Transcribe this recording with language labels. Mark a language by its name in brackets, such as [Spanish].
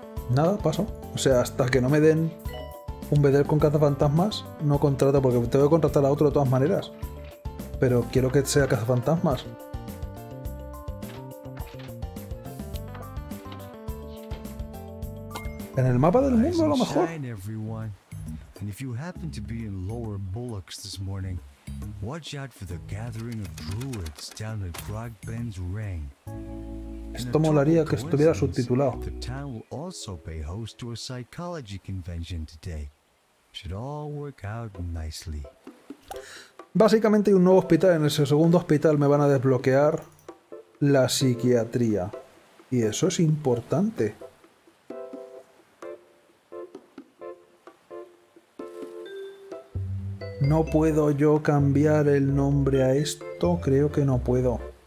[Spanish] Nada, paso. O sea, hasta que no me den un bedel con cazafantasmas, no contrato, porque tengo que contratar a otro de todas maneras. Pero quiero que sea cazafantasmas. En el mapa del mundo, a lo mejor. [English] Shine, everyone. And if you happen to be in Lower Bullocks this morning, watch out for the gathering of druids down at Grogben's Ring. [Spanish] Esto molaría que estuviera subtitulado. [English] The town will also pay host to a psychology convention today. Should all work out nicely. [Spanish] Básicamente hay un nuevo hospital. En ese segundo hospital me van a desbloquear la psiquiatría. Y eso es importante. No puedo yo cambiar el nombre a esto, creo que no puedo.